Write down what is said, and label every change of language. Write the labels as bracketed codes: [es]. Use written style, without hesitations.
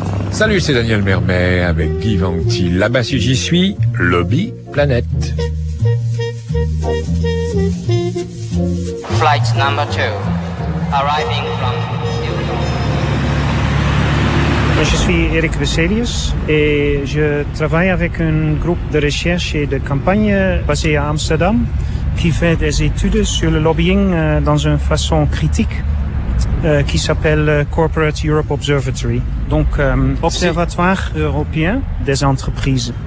[fr] Salut, c'est Daniel Mermet avec Guy Vanctil. Là-bas, si j'y suis, Lobby Planète. [en] Flight number 2, arriving from New York. [fr] Je suis Eric Veselius et je travaille avec un groupe de recherche et de campagne basé à Amsterdam qui fait des études sur le lobbying dans une façon critique. qui s'appelle Corporate Europe Observatory. Donc, Observatoire Européen des Entreprises.